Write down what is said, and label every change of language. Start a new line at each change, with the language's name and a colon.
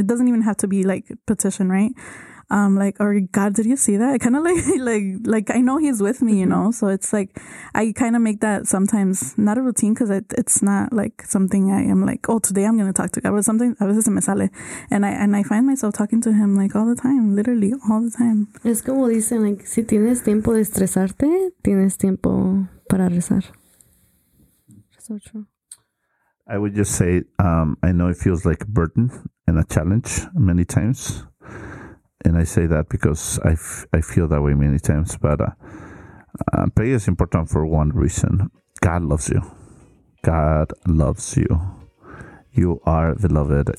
English: It doesn't even have to be like petition, right? Like, or God, did you see that? Kind of like I know he's with me, you know. So it's like I kind of make that sometimes not a routine, because it's not like something I am like, oh, today I'm gonna talk to God, but something
Spanish: a veces se me sale,
English: and I find myself talking to him like all the time, literally all the time.
Spanish: Es como dicen, like, si tienes tiempo de estresarte, tienes tiempo para rezar.
English: So true. I would just say, I know it feels like a burden and a challenge many times. And I say that because I feel that way many times. But prayer is important for one reason. God loves you. God loves you. You are beloved.